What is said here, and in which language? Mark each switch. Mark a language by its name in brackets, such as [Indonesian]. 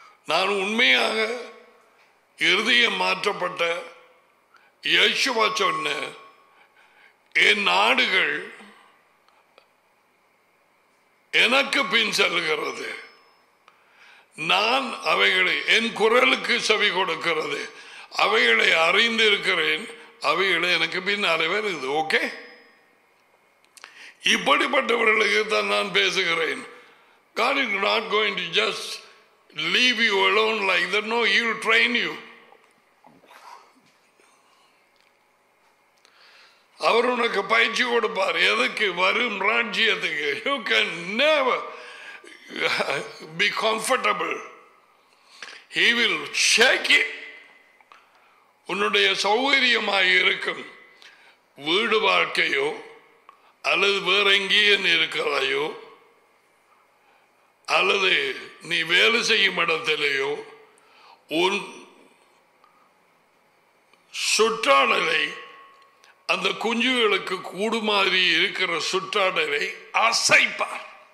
[Tamil] நான் உண்மையாக இருதயம் மாற்றப்பட்ட யேசுவா சொன்ன என் நாடுகள் எனக்கு பின் செல்கிறது, நான் அவைகளை என் குரலுக்கு செவி கொடுக்கிறது, அவைகளை அறிந்திருக்கிறேன், அவைகளை எனக்கு பின்னாலே வருது. ஓகே, இப்படிப்பட்டவர்களுக்கு தான் நான் பேசுகிறேன். [English] God is not going to just leave you alone like that. No, he will train you. [Tamil] அவர் உனக்கு பயிற்சி கொடுப்பார். எதுக்கு? வரும் ராஜ்யத்துக்கு. [English] You can never be comfortable. He will shake it. [Tamil] உன்னுடைய சௌகரியமாக இருக்கும் வீடு வாழ்க்கையோ அல்லது வேற எங்கேயே நீ இருக்கிறாயோ அல்லது நீ வேலை செய்யும் இடத்திலேயோ உன் சுற்றாடலை அந்த குஞ்சுகளுக்கு கூடு மாதிரி இருக்கிற சுற்றாடலை அசைப்பார்.